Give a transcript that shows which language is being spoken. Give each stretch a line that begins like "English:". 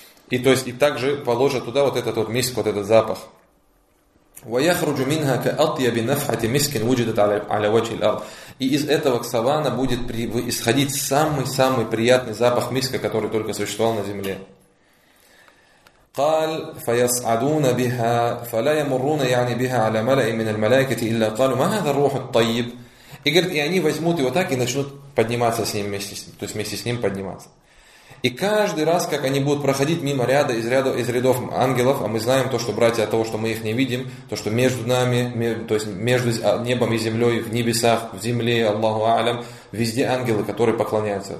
Russian: И то есть и также положат туда вот этот вот миск, вот этот запах.
Arabic: وَيَخْرُجُ مِنْهَا كَأَطْيَبِ نَفْحَةِ مِسْكٍ وُجِدَتْ عَلَى وَجْهِ الْأَرْضِ.
Russian: И из этого савана будет исходить самый-самый приятный запах миска, который только существовал на земле.
Arabic: قال فيصعدون بها فلا يمرون يعني بها على ملأ من الملائكة إلا قالوا ما هذا الروح الطيب.
Russian: И говорит, и они возьмут его так и начнут подниматься с ним вместе, то есть вместе с ним подниматься. И каждый раз, как они будут проходить мимо ряда из рядов ангелов, а мы знаем то, что братья от того, что мы их не видим, то, что между нами, то есть между небом и землей, в небесах, в земле, Аллаху Алям, везде ангелы, которые поклоняются.